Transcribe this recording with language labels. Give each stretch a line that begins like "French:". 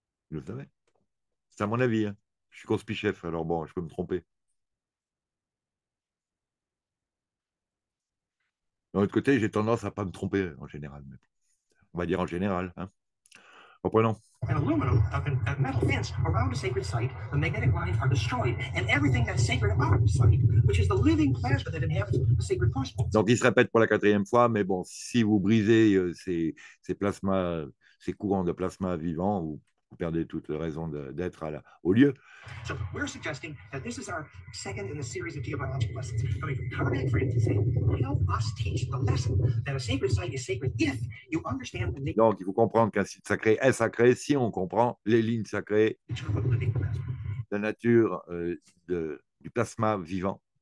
French: Ils le savaient. C'est à mon avis, hein. Je suis conspi-chef, alors bon, je peux me tromper. D'un autre côté, j'ai tendance à ne pas me tromper en général. Mais on va dire en général. Hein. Reprenons.
English: An aluminum a metal fence around a sacred site, the magnetic lines are destroyed, and everything that's sacred about the site, which is the living plasma that inhabits the sacred force.
French: Donc il se répète pour la quatrième fois, mais bon, si vous brisez ces plasmas, ces courants de plasma vivants, vous perdez toute raison d'être au lieu.
English: So we're suggesting that this is our second in a series of geobiological lessons coming from Carmen and Frank to say, help us teach the lesson that a sacred site is sacred if you understand the nature.
French: Donc, il faut comprendre qu'un site sacré est sacré si on comprend les lignes sacrées, la nature du plasma vivant.